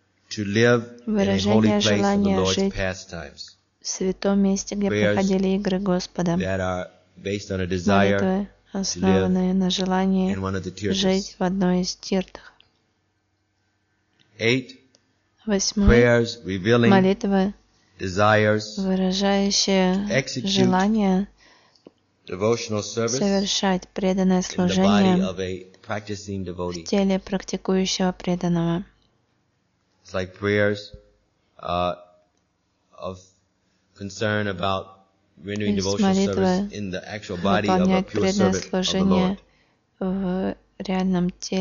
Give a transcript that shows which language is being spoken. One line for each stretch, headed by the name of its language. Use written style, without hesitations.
English: to live in a holy place of the Lord's pastimes.
Russian: В святом месте, где проходили игры Господа. Молитвы, основанные на желании жить в одной из тиртх. Восьмой. Молитвы, выражающие желание совершать преданное служение в теле практикующего преданного.
English: It's like prayers of concern about rendering devotional service in the actual body of a pure servant of the Lord.